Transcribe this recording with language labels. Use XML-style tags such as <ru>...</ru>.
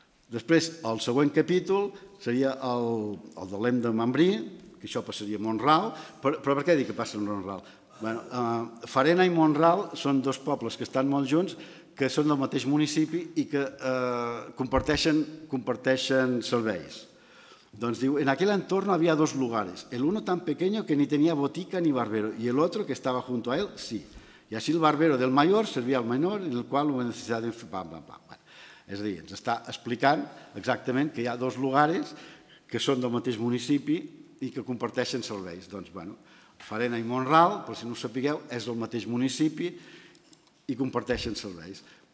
<ca>Després, el següent capítol seria el de l'Em de Mambrí, que això passaria a Mont-ral, però per què dic que passa a Mont-ral? Farena i Mont-ral són dos pobles que estan molt junts, que són del mateix municipi i que comparteixen serveis. Doncs diu,</ca> <es>en aquel entorno había dos lugares, el uno tan pequeño que ni tenía botica ni barbero, y el otro que estaba junto a él, sí. Y así el barbero del mayor servía al menor, en el cual hubo necesidad de... Pam, pam, pam.</es> <ca>És a dir, ens està explicant exactament que hi ha dos lugares que són del mateix municipi i que comparteixen serveis. Doncs, bueno, Farena i Mont-ral, per si no ho sapigueu, és del mateix municipi i comparteixen serveis.</ca>